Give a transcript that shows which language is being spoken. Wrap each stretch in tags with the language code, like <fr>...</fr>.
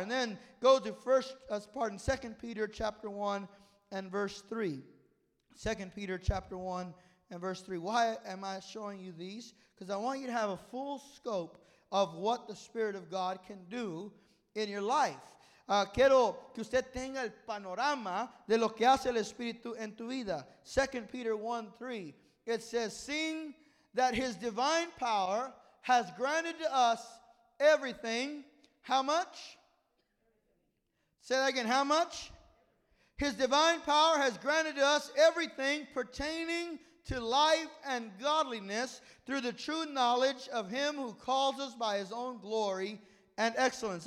<en>And then go to 2 Peter chapter 1. And verse 3, 2 Peter chapter 1 and verse 3. Why am I showing you these? Because I want you to have a full scope of what the Spirit of God can do in your life.</en> <es>Quiero que usted tenga el panorama de lo que hace el Espíritu en tu vida.</es> <en>2 Peter 1, 3, it says, seeing that His divine power has granted to us everything, how much? Say that again, how much? His divine power has granted to us everything pertaining to life and godliness through the true knowledge of Him who calls us by His own glory and excellence.</en>